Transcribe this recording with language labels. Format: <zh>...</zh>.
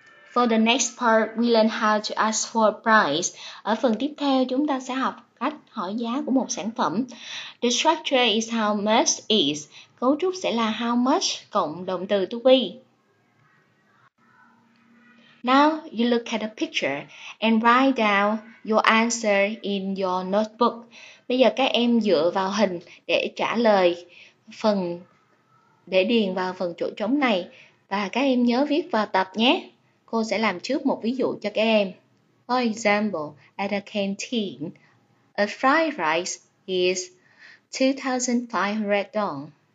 <en>For the next part, we learn how to ask for a price.</en> <vi>Ở phần tiếp theo, chúng ta sẽ học cách hỏi giá của một sản phẩm.</vi> <en>The structure is how much is.</en> <vi>Cấu trúc sẽ là how much cộng động từ to be.</vi> <en>Now you look at the picture and write down your answer in your notebook.</en> <vi>Bây giờ các em dựa vào hình để trả lời phần, để điền vào phần chỗ trống này. Và các em nhớ viết vào tập nhé. Cô sẽ làm trước một ví dụ cho các em.</vi> <en>For example, at a canteen, a fried rice is $2,500.</en>